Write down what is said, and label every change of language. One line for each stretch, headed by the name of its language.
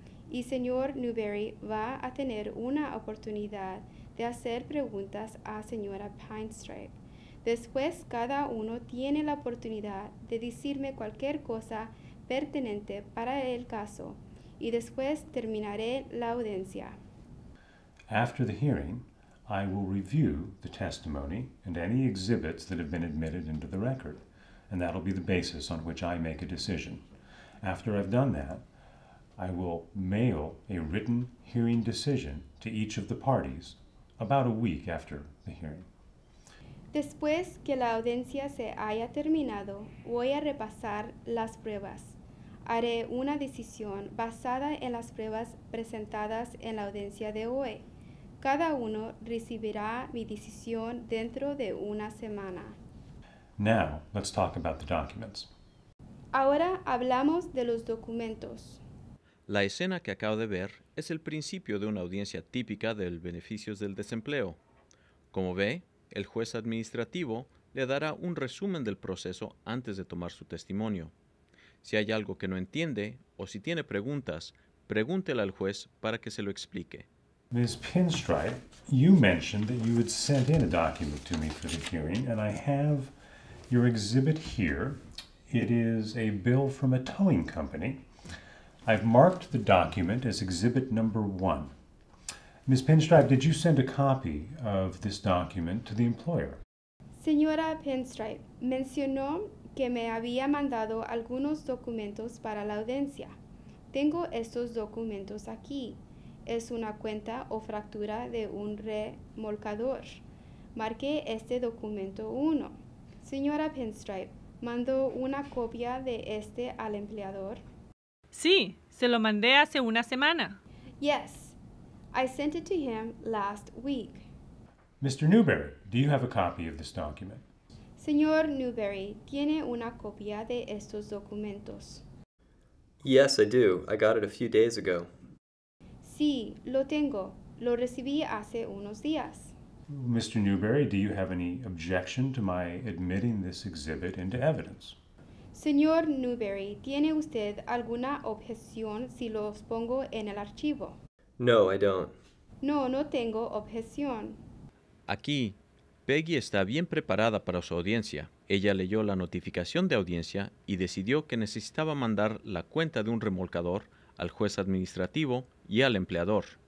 Spanish: Y señor Newberry va a tener una oportunidad de hacer preguntas a señora Pinstripe. Después, cada uno tiene la oportunidad de decirme cualquier cosa pertinente para el caso. Y después terminaré la audiencia.
English: After the hearing, I will review the testimony and any exhibits that have been admitted into the record, and that'll be the basis on which I make a decision. After I've done that, I will mail a written hearing decision to each of the parties about a week after the hearing.
Spanish: Después que la audiencia se haya terminado, voy a repasar las pruebas. Haré una decisión basada en las pruebas presentadas en la audiencia de hoy. Cada uno recibirá mi decisión dentro de una semana.
English: Now, let's talk about the documents.
Spanish: Ahora hablamos de los documentos. La escena que acabo de ver es el principio de una audiencia típica del beneficios del desempleo. Como ve, el juez administrativo le dará un resumen del proceso antes de tomar su testimonio. Si hay algo que no entiende o si tiene preguntas, pregúntela al juez para que se lo explique.
English: Ms. Pinstripe, you mentioned that you had sent in a document to me for the hearing, and I have your exhibit here. It is a bill from a towing company. I've marked the document as exhibit number one. Ms. Pinstripe, did you send a copy of this document to the employer?
Spanish: Señora Pinstripe, mencionó que me había mandado algunos documentos para la audiencia. Tengo estos documentos aquí. Es una cuenta o factura de un remolcador. Marqué este documento 1. Señora Pinstripe, ¿mandó una copia de este al empleador? Sí, se lo mandé hace una semana.
English: Yes, I sent it to him last week. Mr. Newberry, do you have a copy of this document?
Spanish: Señor Newberry, ¿tiene una copia de estos documentos?
English: Yes, I do. I got it a few days ago.
Spanish: Sí, lo tengo. Lo recibí hace unos días.
English: Mr. Newberry, do you have any objection to my admitting this exhibit into evidence?
Spanish: Señor Newberry, ¿tiene usted alguna objeción si lo pongo en el archivo?
English: No, I don't.
Spanish: No, no tengo objeción. Aquí, Peggy está bien preparada para su audiencia. Ella leyó la notificación de audiencia y decidió que necesitaba mandar la cuenta de un remolcador al juez administrativo y al empleador.